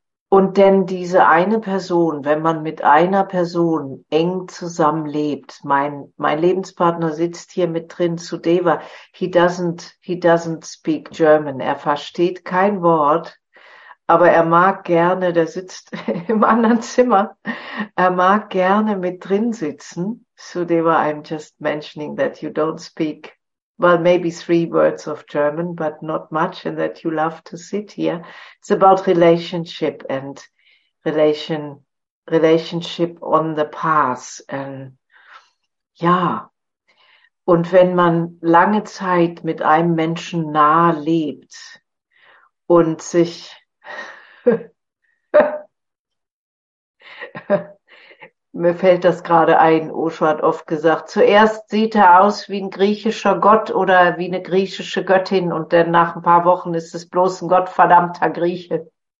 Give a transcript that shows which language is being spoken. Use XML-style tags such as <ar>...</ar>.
<de>Und denn diese eine Person, wenn man mit einer Person eng zusammenlebt, mein Lebenspartner sitzt hier mit drin zu Deva,</de> <en>he doesn't speak German,</en> <de>er versteht kein Wort, aber er mag gerne, der sitzt im anderen Zimmer, er mag gerne mit drin sitzen.</de> <en>Sudeva, I'm just mentioning that you don't speak, well, maybe 3 words of German, but not much, and that you love to sit here. It's about relationship and relationship on the path.</en> <de>And ja, und wenn man lange Zeit mit einem Menschen nahe lebt und sich mir fällt das gerade ein, Osho hat oft gesagt, zuerst sieht er aus wie ein griechischer Gott oder wie eine griechische Göttin und dann nach ein paar Wochen ist es bloß ein gottverdammter Grieche.</de>